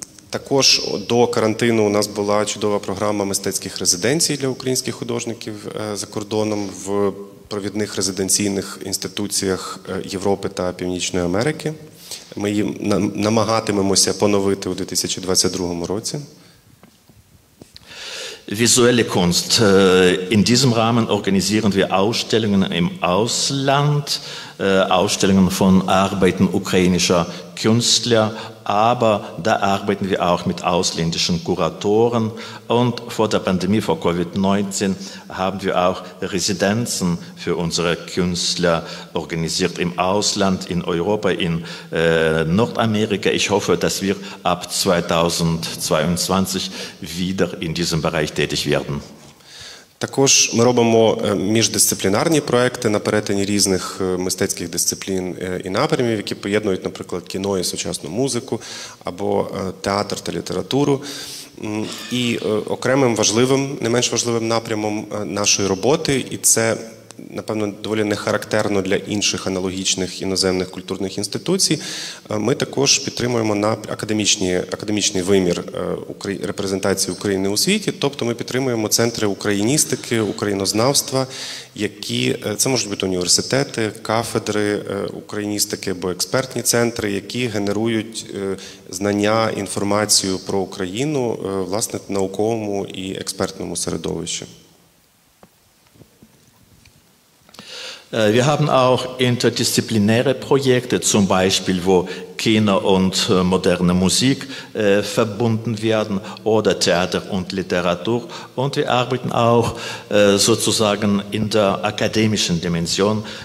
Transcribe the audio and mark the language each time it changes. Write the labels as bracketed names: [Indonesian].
[Ukrainian] Також до карантину у нас була чудова програма мистецьких резиденцій для українських художників за кордоном в провідних резиденційних інституціях Європи та Північної Америки. Ми її намагатимемося поновити у 2022 році. [German] Visuelle Kunst. In diesem Rahmen organisieren wir Ausstellungen im Ausland, Ausstellungen von Arbeiten ukrainischer Künstler, aber da arbeiten wir auch mit ausländischen Kuratoren. Und vor der Pandemie, vor Covid-19, haben wir auch Residenzen für unsere Künstler organisiert im Ausland, in Europa, in Nordamerika. Ich hoffe, dass wir ab 2022 wieder in diesem Bereich tätig werden. [Ukrainian] Також ми робимо міждисциплінарні проекти на перетині різних мистецьких дисциплін і напрямів, які поєднують, наприклад, кіно і сучасну музику, або театр та літературу. І окремим важливим, не менш важливим напрямом нашої роботи, і це, напевно, доволі нехарактерно для інших аналогічних іноземних культурних інституцій, ми також підтримуємо академічний вимір репрезентації України у світі, тобто ми підтримуємо центри україністики, українознавства, які, це можуть бути університети, кафедри україністики або експертні центри, які генерують знання, інформацію про Україну, власне, в науковому і експертному середовищі. [German] Wir haben auch interdisziplinäre Projekte, zum Beispiel, wo Kino und moderne Musik verbunden werden oder Theater und Literatur. Und wir arbeiten auch sozusagen in der akademischen Dimension.